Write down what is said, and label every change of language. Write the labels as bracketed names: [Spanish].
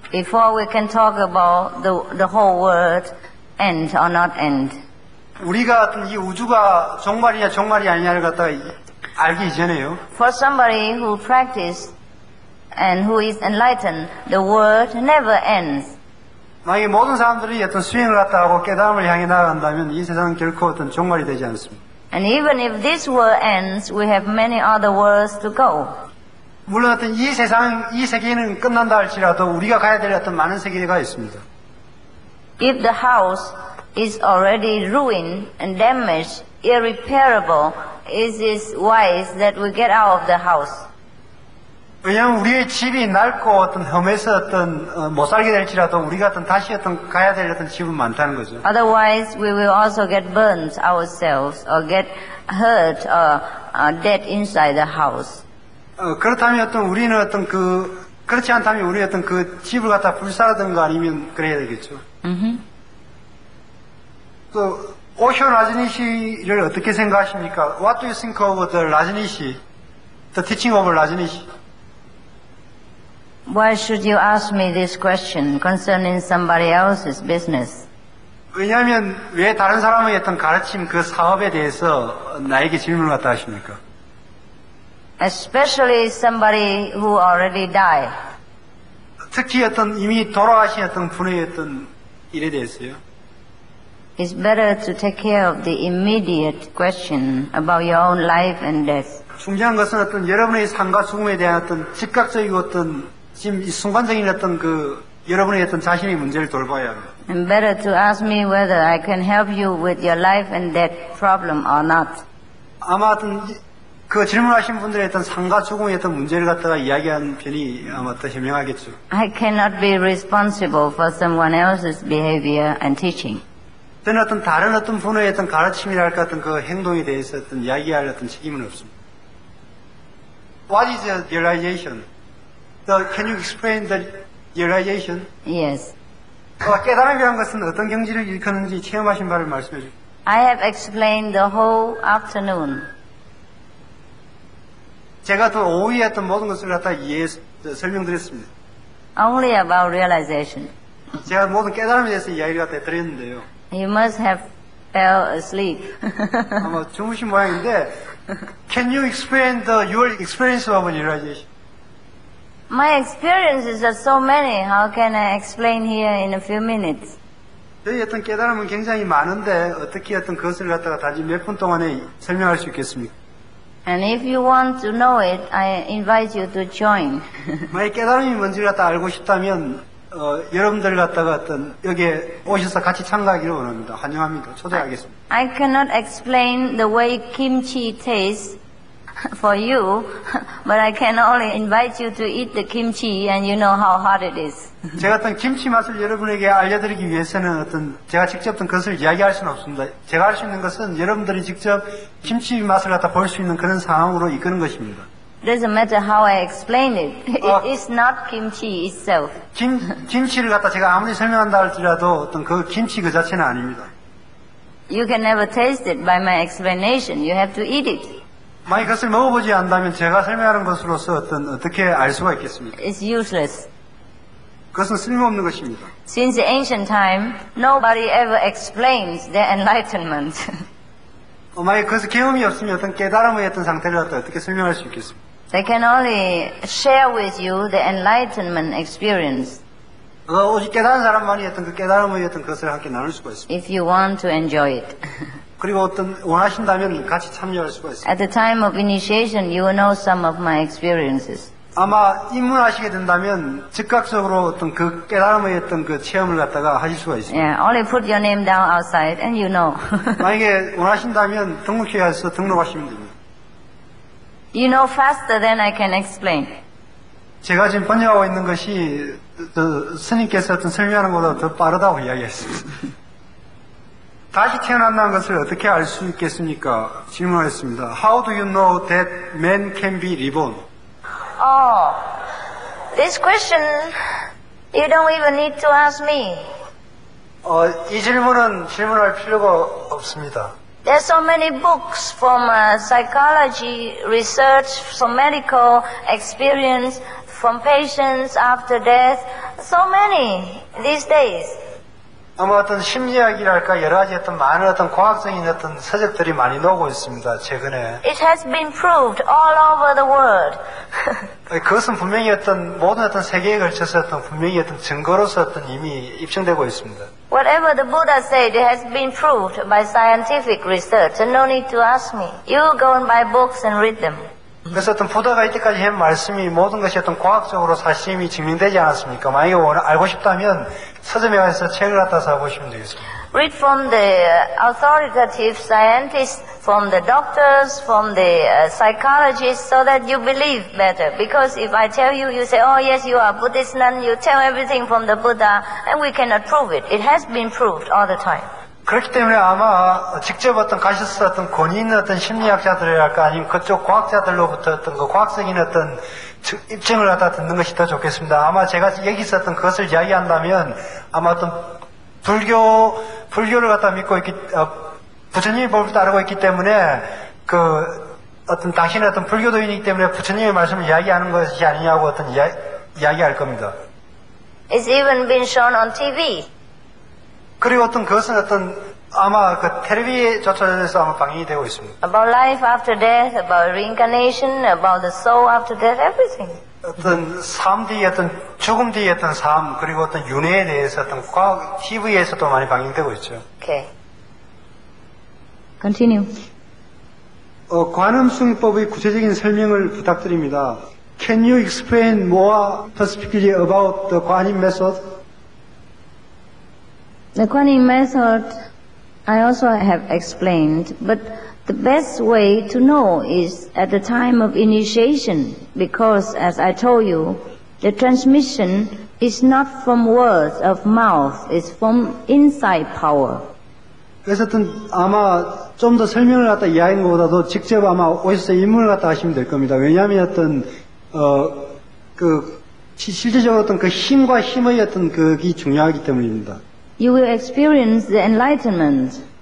[English] Before we can talk about the whole world end or not end. [Korean] 우리가 어떤 이 우주가 종말이냐 종말이 아니냐를 갖다가 알기 이전에요. [English] For somebody who practices and who is enlightened, the world never ends. [Korean] 만약에 모든 사람들이 어떤 수행을 갖다 하고 깨달음을 향해 나아간다면 이 세상은 결코 어떤 종말이 되지 않습니다. [English] And even if this world ends, we have many other worlds to go. [Korean] 물론 어떤 이 세상, 이 세계는 끝난다 할지라도 우리가 가야 될 어떤 많은 세계가 있습니다. [English] If the house is already ruined and damaged, irreparable, is it wise that we get out of the house? [Korean] 왜냐하면 우리의 집이 낡고 어떤 험해서 어떤 못 살게 될지라도 우리가 어떤 다시 어떤 가야 될 어떤 집은 많다는 거죠. [English] Otherwise, we will also get burned ourselves or get hurt or dead inside the house. [Korean] 그렇다면 어떤 우리는 어떤 그 그렇지 않다면 우리 어떤 그 집을 갖다 불사르든가 아니면 그래야 되겠죠. 또 오쇼 라즈니시를 어떻게 생각하십니까? [English] What do you think of the 라즈니시, the teaching of 라즈니시? Why should you ask me this question concerning somebody else's business? [Korean] 왜냐하면 왜 다른 사람의 어떤 가르침 그 사업에 대해서 나에게 질문을 갖다 하십니까? [English] Especially somebody who already died. [Korean] 특히 어떤 이미 돌아가신 어떤 분의 어떤 일에 대해서요? [English] It's better to take care of the immediate question about your own life and death. [Korean] 중요한 것은 어떤 여러분의 삶과 죽음에 대한 어떤 즉각적인 어떤 지금 이 순간적인 어떤 그 여러분의 어떤 자신의 문제를 돌봐야 합니다. [English] And better to ask me whether I can help you with your life and death problem or not. [Korean] 아마 어떤 그 질문하신 분들의 어떤 삶과 죽음의 어떤 문제를 갖다가 이야기한 편이 아마 더 현명하겠죠. [English] I cannot be responsible for someone else's behavior and teaching. [Korean] 저는 어떤 다른 어떤 분의 어떤 가르침이라 할 것 같은 그 행동에 대해서 어떤 이야기할 어떤 책임은 없습니다. [English] What is the realization? Can you explain the realization? Yes. [Korean] 깨달음이란 것은 어떤 경지를 일컫는지 체험하신 바를 말씀해 주세요. [English] I have explained the whole afternoon. [Korean] 제가 또 오후에 했던 모든 것을 갖다 이해해서 설명드렸습니다. [English] Only about realization. [Korean] 제가 모든 깨달음에 대해서 이야기를 갖다 드렸는데요. [English] You must have fell asleep. [Korean] 아마 주무신 모양인데, [English] Can you explain your experience of realization? My experiences are so many. How can I explain here in a few minutes? [Korean] 저희 어떤 깨달음은 굉장히 많은데 어떻게 어떤 그것을 갖다가 단지 몇 분 동안에 설명할 수 있겠습니까? [English] And if you want to know it, I invite you to join. [Korean] 만약 깨달음이 뭔지를 갖다 알고 싶다면 여러분들 갖다가 어떤 여기에 오셔서 같이 참가하기를 원합니다. 환영합니다. 초대하겠습니다. [English] I cannot explain the way kimchi tastes. For you, but I can only invite you to eat the kimchi, and you know how hot it is. [Korean] 제가 어떤 김치 맛을 여러분에게 알려드리기 위해서는 어떤 제가 직접 어떤 것을 이야기할 수는 없습니다. 제가 할 수 있는 것은 여러분들이 직접 김치 맛을 갖다 볼 수 있는 그런 상황으로 이끄는 것입니다. [English] Doesn't matter how I explain it. It's not kimchi itself. [Korean] 김치를 갖다 제가 아무리 설명한다 할지라도 어떤 그 김치 그 자체는 아닙니다. [English] You can never taste it by my explanation. You have to eat it. [Korean] 만약 이것을 먹어보지 않다면 제가 설명하는 것으로서 어떻게 알 수가 있겠습니까? [English] It's useless. [Korean] 그것은 쓸모없는 것입니다. [English] Since the ancient time, nobody ever explains their enlightenment. [Korean] 만약 그것을 경험이 없으면 어떤 깨달음을 했던 상태를 어떻게 설명할 수 있겠습니까? [English] They can only share with you the enlightenment experience. [Korean] 오직 깨달은 사람만이 어떤 그 깨달음을 했던 것을 함께 나눌 수가 있습니다. [English] If you want to enjoy it. [Korean] 그리고 어떤 원하신다면 같이 참여할 수가 있습니다. [English] At the time of initiation, you will know some of my experiences. [Korean] 아마 입문하시게 된다면 즉각적으로 어떤 그 깨달음의 어떤 그 체험을 갖다가 하실 수가 있습니다. [English] Yeah, only put your name down outside and you know. [Korean] 만약에 원하신다면 등록해야 해서 등록하시면 됩니다. [English] You know faster than I can explain. [Korean] 제가 지금 번역하고 있는 것이 스님께서 어떤 설명하는 것보다 더 빠르다고 이야기했습니다. 다시 태어난다는 것을 어떻게 알 수 있겠습니까? 질문하겠습니다. [English] How do you know that man can be reborn? Oh, this question you don't even need to ask me. [Korean] 이 질문은 질문할 필요가 없습니다. [English] There are so many books from psychology research, from medical experience, from patients after death. So many these days. [Korean] 아마 어떤 심리학이랄까 여러 가지 어떤 많은 어떤 과학적인 어떤 서적들이 많이 나오고 있습니다 최근에. [English] It has been proved all over the world. [Korean] 그것은 분명히 어떤 모든 어떤 세계에 걸쳐서 어떤 분명히 어떤 증거로서 어떤 이미 입증되고 있습니다. [English] Whatever the Buddha said, it has been proved by scientific research. No need to ask me. You go and buy books and read them. [Korean] 그래서 어떤 부다가 이때까지 한 말씀이 모든 것이 어떤 과학적으로 사실이 증명되지 않았습니까? 만약에 오늘 알고 싶다면 서점에 가서 책을 갖다 사보시면 되겠습니다. [English] Read from the authoritative scientists, from the doctors, from the psychologists, so that you believe better. Because if I tell you, you say, oh yes, you are a Buddhist nun, you tell everything from the Buddha, and we cannot prove it. It has been proved all the time. [Korean] 그렇기 때문에 아마 직접 어떤 가셔서 어떤 권위 있는 어떤 심리학자들이랄까 아니면 그쪽 과학자들로부터 어떤 그 과학적인 어떤 입증을 갖다 듣는 것이 더 좋겠습니다. 아마 제가 여기서 어떤 그것을 이야기한다면 아마 어떤 불교를 갖다 믿고 있기, 부처님의 법을 따르고 있기 때문에 그 어떤 당신의 어떤 불교도인이기 때문에 부처님의 말씀을 이야기하는 것이 아니냐고 어떤 이야기할 겁니다. [English] It's even been shown on TV. [Korean] 그리고 어떤 그것은 어떤 아마 그 텔레비전에서 아마 방영이 되고 있습니다. [English] About life after death, about reincarnation, about the soul after death, everything. [Korean] 어떤 삶 뒤에 어떤 죽음 뒤에 어떤 삶 그리고 어떤 윤회에 대해서 어떤 과학 TV에서도 많이 방영되고 있죠. [English] Okay. Continue. [Korean] 관음수행법의 구체적인 설명을 부탁드립니다. [English] Can you explain more specifically about the 관음 method? The Kuan Yin method, I also have explained, but the best way to know is at the time of initiation, because as I told you, the transmission is not from words of mouth, it's from inside power. [Korean] 그래서 어떤 아마 좀 더 설명을 갖다 이해하는 것보다도 직접 아마 오셔서 입문을 갖다 하시면 될 겁니다. 왜냐하면 어떤, 실제적으로 어떤 그 힘과 힘의 어떤 그게 중요하기 때문입니다. [English] You will experience the enlightenment.